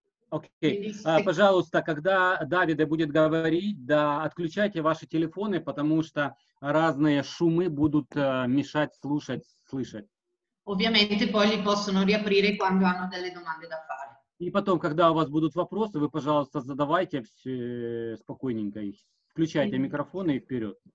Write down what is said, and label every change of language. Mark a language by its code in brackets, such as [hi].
[ru] Ok, пожалуйста, когда Давиде будет говорить, да, отключайте ваши телефоны, потому что разные шумы будут мешать слышать. [it] Ovviamente poi li possono riaprire quando hanno delle domande da fare. [ru] И потом, когда у вас будут вопросы, вы, пожалуйста, задавайте спокойненько их. Включайте микрофоны и вперед.